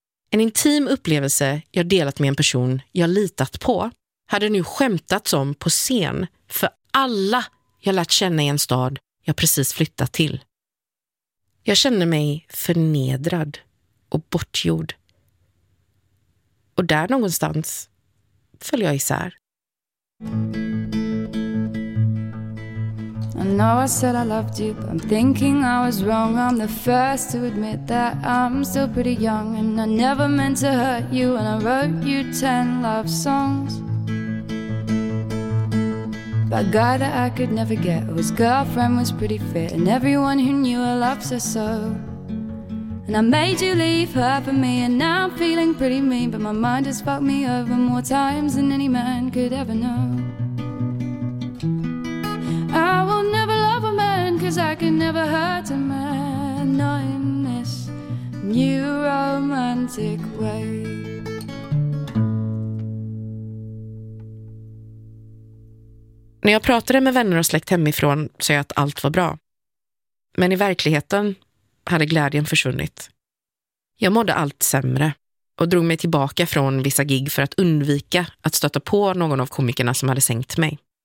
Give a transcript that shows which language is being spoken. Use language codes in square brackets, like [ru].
[sv] En intim upplevelse jag delat med en person jag litat på hade nu skämtats om på scen för alla jag lärt känna i en stad jag precis flyttat till. Jag kände mig förnedrad och bortgjord. Och där någonstans föll jag isär. [en] I know I said I loved you, but I'm thinking I was wrong. I'm the first to admit that I'm still pretty young. And I never meant to hurt you, and I wrote you 10 love songs. But a guy that I could never get, whose girlfriend was pretty fit, and everyone who knew her loves her so. And I made you leave her for me, and now I'm feeling pretty mean. But my mind has fucked me over more times than any man could ever know. I will never love a man, 'cause I can never hurt a man, not in this new romantic way. [sv] När jag pratade med vänner och släkt hemifrån sa jag att allt var bra. Men i verkligheten hade glädjen försvunnit. Jag mådde allt sämre och drog mig tillbaka från vissa gig för att undvika att stöta på någon av komikerna som hade sänkt mig.